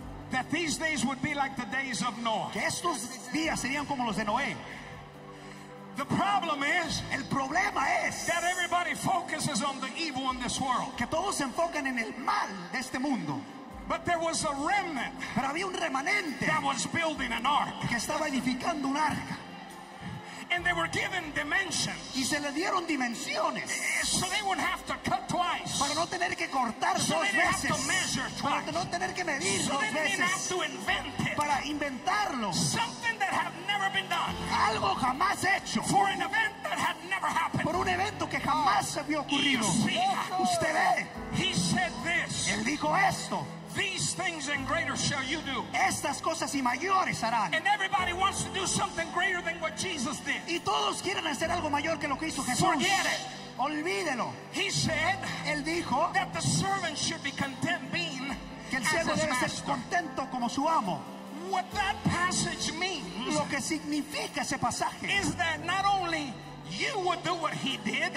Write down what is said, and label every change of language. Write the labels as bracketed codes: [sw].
[en] that these days would be like the days of Noah. [es] Que estos días serían como los de Noé. [en] The problem is, [es] el problema es, [en] that everybody focuses on the evil in this world. [es] Que todos se enfocan en el mal de este mundo. [en] But there was a remnant, [es] pero había un remanente, [en] that was building an ark. [es] Que estaba edificando un arca. [en] And they were given dimensions. [es] Y se le dieron dimensiones. [en] So they wouldn't have to cut twice. [es] Para no tener que cortar [en] so [es] dos veces. [en] They didn't have to measure twice. [es] Para no tener que medir [en] so [es] dos [en] they [es] veces. [en] Didn't have to invent it. [es] Para inventarlo. [en] Something that had never been done. [es] Algo jamás hecho. [en] For an event that had never happened. [es] Por un evento que jamás se había ocurrido. Usted ve. [en] He said this. [es] Él dijo esto. [en] These things and greater shall you do. [es] Estas cosas y mayores harán. [en] And everybody wants to do something greater than what Jesus did. [es] Y todos quieren hacer algo mayor que lo que hizo Jesús. [en] Forget it. [es] Olvídelo. [en] He said, [es] él dijo, [en] that the servant should be content being [es] que el siervo debe ser contento como su amo. [en] What that passage means, [es] lo que significa ese pasaje, [en] is that not only you would do what he did.